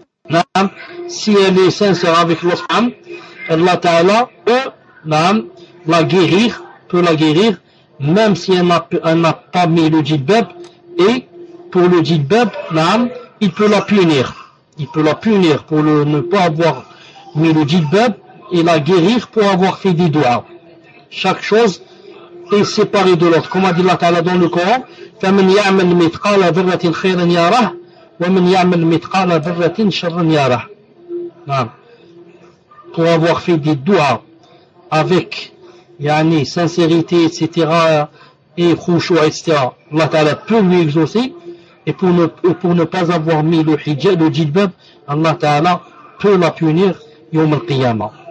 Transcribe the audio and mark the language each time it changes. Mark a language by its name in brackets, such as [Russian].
[French] Naam, si elle est sincère avec l'Osman, Allah Ta'ala peut la guérir, même si elle n'a pas mis le djilbeb, et pour le djilbeb, il peut la punir pour ne pas avoir mis le djilbeb, et la guérir pour avoir fait des doigts. Chaque chose est séparée de l'autre. Comme a dit Allah Ta'ala dans le Coran, [Arabic] فَمَنْ يَعْمَلْ مِتْقَالَ ذَرَّةٍ خَيْرًا يَارَهُ وَمَنْ يَعْمَلْ مِتْقَالَ ذَرَّةٍ شَرًّا يَارَهُ. [French] Pour avoir fait des doigts avec yani, sincérité, etc., et khushu, etc., Allah Ta'ala peut lui exaucer, et pour ne pas avoir mis le hijab, le djilbab, Allah Ta'ala peut la punir [Arabic] يوم القيامة.